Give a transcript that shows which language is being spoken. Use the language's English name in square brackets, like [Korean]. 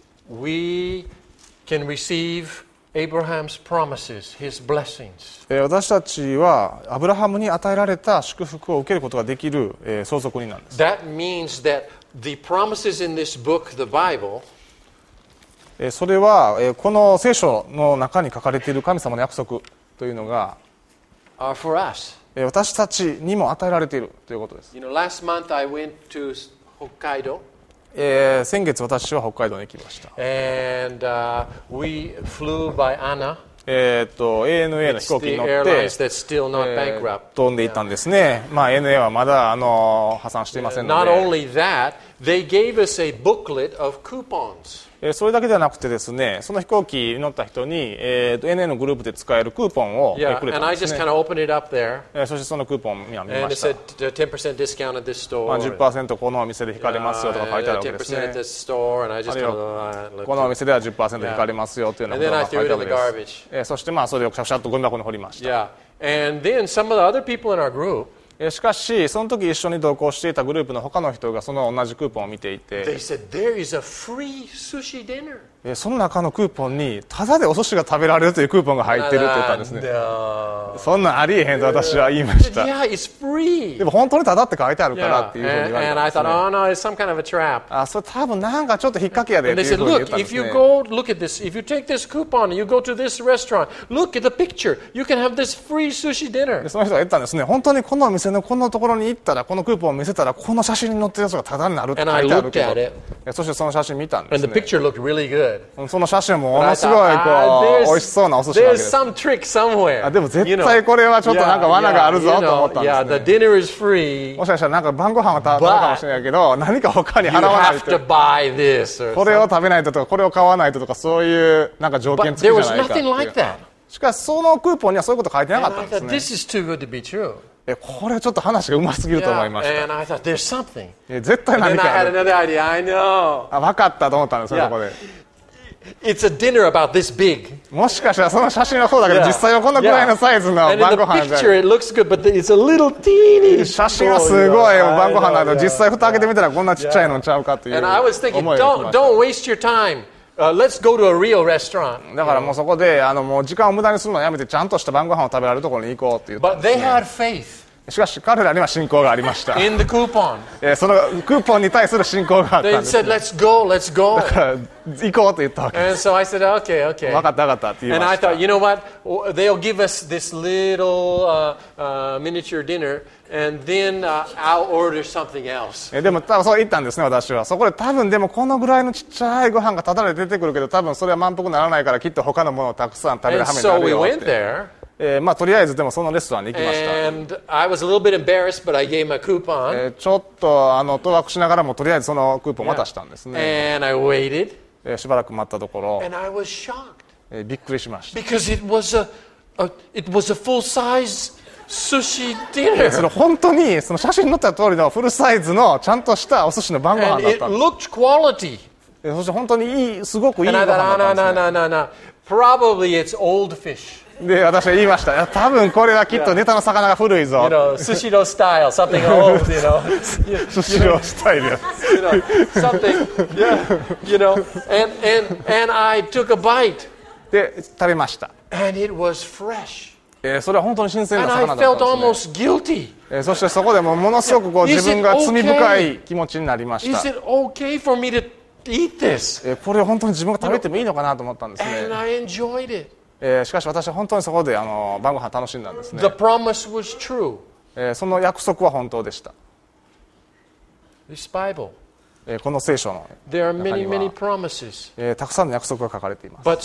[English] We can receive. Abraham's promises, his blessings. [Japanese] 私たちはアブラハムに与えられた祝福を受けることができる相続人なんです。 [English] That means that the promises in this book, the Bible, [Japanese] それはこの聖書の中に書かれている神様の約束というのが [English] are for us. [Japanese] 私たちにも与えられているということです。 [English] You know, last month I went to Hokkaido. [Japanese] 先月私は北海道に来ました。 [English] And, we flew by ANA. [Japanese] ANA の飛行機に乗って [English] It's the airlines that's still not bankrupt. [Japanese] 飛んでいったんですね、まあ、ANA はまだ破産していませんので [English] Not only that, they gave us a booklet of coupons. [Japanese] それだけではなくてですね、その飛行機に乗った人に、ANA のグループで使えるクーポンをくれたんですね。 [English] And I just kind of opened it up there. [Japanese] そしてそのクーポンを見ました。 [English] And it said 10% discount at this store. [Japanese] まあ 10% このお店で引かれますよとか書いてあるわけですね。 [English] 10% at this store. And I just kind of looked at it. [Japanese] このお店では 10% 引かれますよというようなことが書いてあるわけです。 [English] And then I threw it in the garbage. [Japanese] そしてまあそれをシャシャッとゴミ箱に掘りました。 [English] Yeah. And then some of the other people in our group. [Japanese] しかしその時一緒に同行していたグループの他の人がその同じクーポンを見ていて [English] They said, There is a free sushi dinner. [Japanese] その中のクーポンにただでお寿司が食べられるというクーポンが入っていると言ったんですね。 [English] No. [Japanese] そんなありえへんと私は言いました。 [English] Yeah, it's free. [Japanese] でも本当にただって書いてあるからっていうふうに言われたんですね。 [English] And I thought, oh, no, it's some kind of a trap. [Japanese] それ多分なんかちょっと引っ掛けやでっていうふうに言ったんですね。 [English] If you go look at this, if you take this coupon and you go to this restaurant, look at the picture, you can have this free sushi dinner. [Japanese] その人が言ったんですね。本当にこのお店こんなところに行ったらこのクーポンを見せたらこの写真に載ってるやつがタダになるって書いてあるけど、そしてその写真見たんですね。 [English] And the picture looked really good. [Japanese] その写真もものすごいこう美味しそうなお寿司なわけです。 [English] some trick somewhere. [Japanese] でも絶対これはちょっとなんか罠があるぞと思ったんですね。 [English] yeah, the dinner is free, [Japanese] もしかしたらなんか晩ご飯はただかもしれないけど何か他に払わないとこれを食べないととかこれを買わないととかそういうなんか条件つくじゃないかっていう。 [English] But there was nothing like that. [Japanese] しかしそのクーポンにはそういうこと書いてなかったんですね。 [English] And I thought, this is too good to be true. [Japanese] これはちょっと話がうますぎると思いました。 [English] yeah, and I thought, there's something. [Japanese] 絶対何かある。 [English] And then I had another idea. I know. [Japanese] 分かったと思ったんです、yeah. そこで。 [English] It's a dinner about this big. [Japanese] もしかしたらその写真はそうだけど、yeah. 実際はこのくらいのサイズの晩ご飯 [English] で。 And in the picture it looks good, but it's a little teeny. [Japanese] 写真はすごい晩ご飯なんだけど、実際蓋開けてみたらこんなちっちゃいのちゃうかという思いで。 [English] And I was thinking, don't waste your time. Let's go to a real restaurant. [Japanese] だからもうそこでもう時間を無駄にするのをやめてちゃんとした晩ご飯を食べられるところに行こうって言ったんですね。 [English] But they had faith. [Japanese] しかし彼らには信仰がありました。 [English] In the coupon. [Japanese] そのクーポンに対する信仰があったんです、ね、 [English] They said, let's go, let's go. [Japanese] だから行こうと言ったわけです。 [English] And so I said, okay, okay. [Japanese] 分かった分かったって言いました。 [English] And I thought, you know what? They'll give us this little miniature dinnerAnd then, I'll order something else. [Japanese] でも多分そう言ったんですね。私はそこで多分でもこのぐらいのちっちゃいご飯がただで出てくるけど多分それは満腹にならないからきっと他のものをたくさん食べる羽目になるよって。 [English] And so we went there. [Japanese] まあ、とりあえずでもそのレストランに行きました。 [English] And I was a little bit embarrassed, but I gave my coupon. [Japanese] ちょっと戸惑しながらもとりあえずそのクーポンを渡したんですね。 [English] And I waited. [Japanese] しばらく待ったところ [English] And I was shocked. [Japanese] びっくりしました。 [English] Because it was a full sizeSushi dinner. [Japanese] それ本当にその写真に載った通りのフルサイズのちゃんとしたお寿司の晩ご飯だったんです。 [English] And it looked quality. [Japanese] そして本当にいいすごくいいご飯だったんですね。 [English] No. Probably it's old fish. [Japanese] で私は言いました。いや多分これはきっとネタの魚が古いぞ。 [English] You know, sushi roll style, something old, you know. Sushi roll style. You know, something, yeah, you know. And I took a bite. [Japanese] で食べました。 [English] And it was fresh. [Japanese] それは本当に新鮮な魚だったんです [English] ね。And I felt almost guilty. [Japanese] そしてそこでもものすごくこう自分が罪深い気持ちになりました。 [English] Is it okay for me to eat this? [Japanese] これを本当に自分が食べてもいいのかなと思ったんですね。 [English] And I enjoyed it. [Japanese] しかし私は本当にそこで晩ご飯楽しんだんですね。 [English] The promise was true. [Japanese] その約束は本当でした。 [English] This Bible. [Japanese] この聖書の中にはたくさんの約束が書かれています。